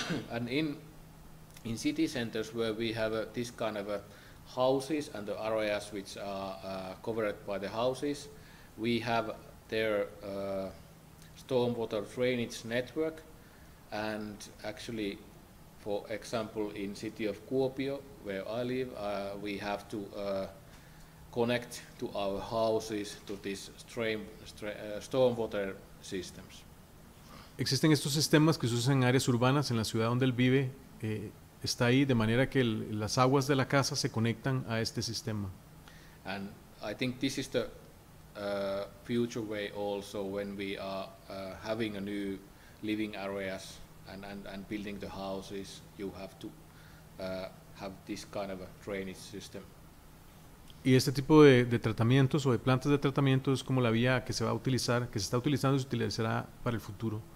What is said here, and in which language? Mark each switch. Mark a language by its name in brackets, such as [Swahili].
[English] And in city centers where we have this kind of houses and the areas which are covered by the houses, we have their stormwater drainage network. And actually, for example, in city of Kuopio, where I live, we have to connect to our houses to these stormwater systems. [Spanish] Existen estos sistemas que se usan en áreas urbanas, en la ciudad donde él vive, está ahí, de manera que las aguas de la casa se conectan a este sistema. [English] And I think this is the future way also when we are having a new living areas and building the houses, you have to have this kind of a drainage system. [Spanish] Y este tipo de tratamientos o de plantas de tratamiento es como la vía que se va a utilizar, que se está utilizando y se utilizará para el futuro.